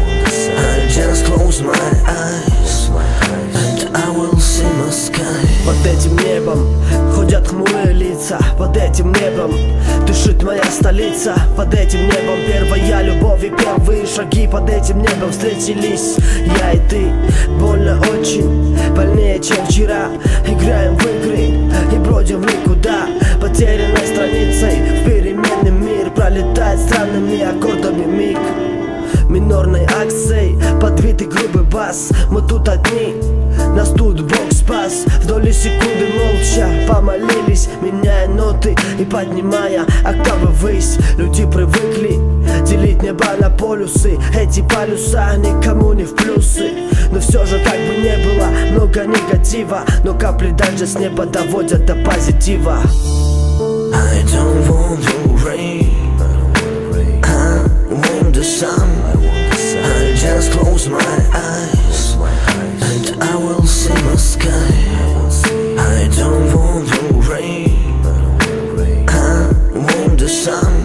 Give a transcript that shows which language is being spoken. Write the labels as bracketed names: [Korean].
[English] just close my eyes and I will see my sky. [Russian] Под этим небом ходят хмурые лица. Под этим небом дышит моя столица. Под этим небом первая любовь и первые шаги. Под этим небом встретились я и ты. Больно очень, больнее, чем вчера. Играем в игры и бродим в никуда. Потерянной страницей в переменный мир пролетает странными аккордами миг. Минорной акцией подбитый грубый бас. Мы тут одни, нас тут Бог спас. В доли секунды молча помолились, меняя ноты и поднимая октавы ввысь. Люди привыкли делить небо на полюсы. Эти полюса никому не в плюсы. Но все же как бы не было много негатива, но капли дальше с неба доводят до позитива. [English] I don't want to rain, the sun. I just close my eyes and I will see my sky. I don't want to rain, I want the sun.